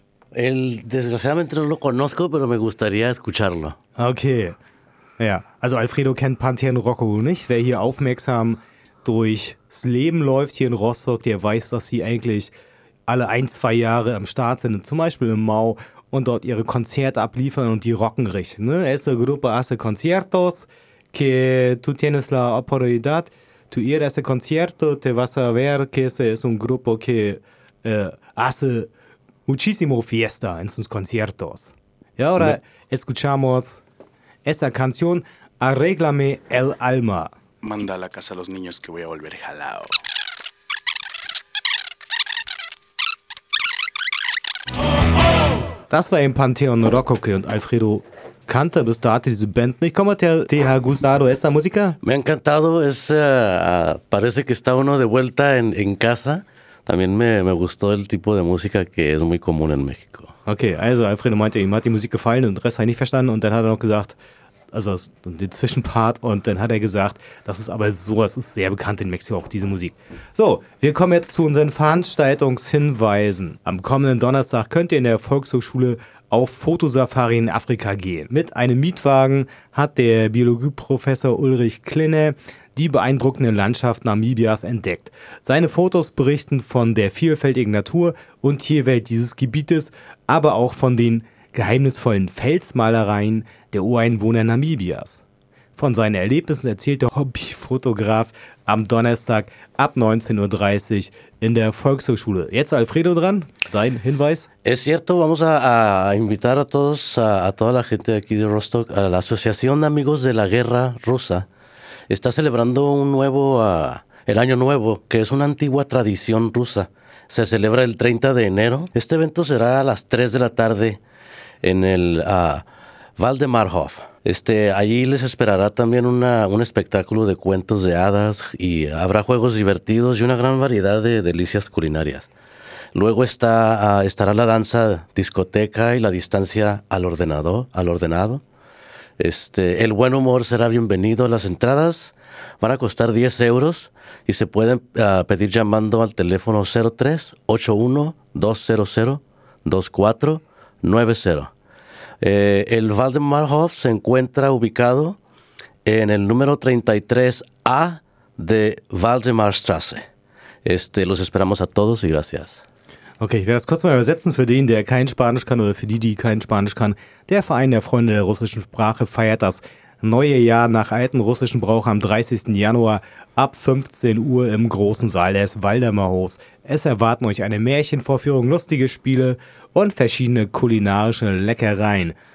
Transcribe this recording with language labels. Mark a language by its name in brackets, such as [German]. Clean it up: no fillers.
[Spanish] Desgraciadamente no lo conozco, pero me gustaría escucharlo. [German] Okay. Ja, also Alfredo kennt Panteón Rococo nicht. Wer hier aufmerksam durchs Leben läuft hier in Rostock, der weiß, dass sie eigentlich alle 1-2 Jahre am Start sind, zum Beispiel im Mau, und dort ihre Konzerte abliefern und die rocken richtig. Ne? [Spanish] Esa Gruppe hace conciertos, que tú tienes la oportunidad, tú ir a ese concierto, te vas a ver que ese es un grupo que hace muchísimo fiesta en sus conciertos. Y ahora escuchamos esa canción, Arréglame el alma. Manda a la casa a los niños que voy a volver jalado. [German] Das war eben Panteón Rococo und Alfredo kannte bis dato diese Band nicht. [Spanish] ¿Cómo te ha gustado esta música? Me ha encantado. Parece que está uno de vuelta en casa. También me gustó el tipo de música que es muy común en México. [German] Okay, also Alfredo meinte, ihm hat die Musik gefallen und den Rest habe ich nicht verstanden. Und dann hat er noch gesagt, also den Zwischenpart, und dann hat er gesagt, das ist aber so, es ist sehr bekannt in Mexiko, auch diese Musik. So, wir kommen jetzt zu unseren Veranstaltungshinweisen. Am kommenden Donnerstag könnt ihr in der Volkshochschule auf Fotosafari in Afrika gehen. Mit einem Mietwagen hat der Biologieprofessor Ulrich Klinne die beeindruckende Landschaft Namibias entdeckt. Seine Fotos berichten von der vielfältigen Natur und Tierwelt dieses Gebietes, aber auch von den geheimnisvollen Felsmalereien der Ureinwohner Namibias. Von seinen Erlebnissen erzählt der Hobbyfotograf am Donnerstag ab 19.30 Uhr in der Volkshochschule. Jetzt Alfredo dran, dein Hinweis. [Spanish] Es cierto, vamos a invitar a todos, a toda la gente aquí de Rostock, a la Asociación de Amigos de la Guerra Rusa. Está celebrando un nuevo, el Año Nuevo, que es una antigua tradición rusa. Se celebra el 30 de enero. Este evento será a las 3 de la tarde en el Waldemar Hof. Allí les esperará también un espectáculo de cuentos de hadas y habrá juegos divertidos y una gran variedad de delicias culinarias. Luego estará la danza discoteca y la distancia al ordenado. El buen humor será bienvenido. Las entradas van a costar 10 euros y se pueden pedir llamando al teléfono 03-81-200-2490. El Waldemarhof se encuentra ubicado en el número 33A de Waldemarstrasse. Los esperamos a todos y gracias. [German] Okay, ich werde das kurz mal übersetzen für den, der kein Spanisch kann oder für die, die kein Spanisch kann. Der Verein der Freunde der russischen Sprache feiert das neue Jahr nach alten russischen Brauch am 30. Januar ab 15 Uhr im großen Saal des Waldemarhofs. Es erwarten euch eine Märchenvorführung, lustige Spiele und verschiedene kulinarische Leckereien.